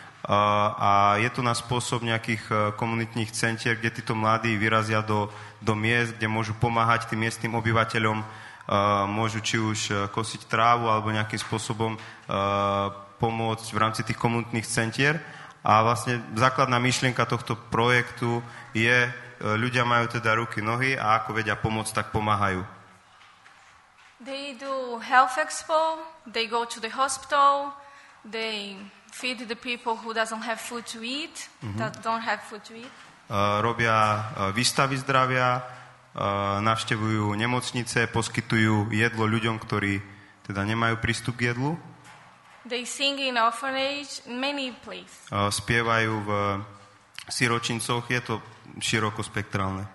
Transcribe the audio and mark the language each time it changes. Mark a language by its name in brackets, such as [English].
[Slovak] A je to na spôsob nejakých komunitných centier, kde títo mladí vyrazia do miest, kde môžu pomáhať tým miestnym obyvateľom môžu či už kosiť trávu alebo nejakým spôsobom pomôcť v rámci tých komunitných centier. A vlastne základná myšlienka tohto projektu je, ľudia majú teda ruky, nohy a ako vedia pomôcť, tak pomáhajú. [English] They do health expo, they go to the hospital, they feed the people who doesn't have food to eat, that don't have food to eat. [Slovak] Robia výstavy zdravia, navštevujú nemocnice, poskytujú jedlo ľuďom, ktorí teda nemajú prístup k jedlu. [English] They sing in orphanage many places. [Slovak] Spievajú v siročincoch, je to širokospektrálne.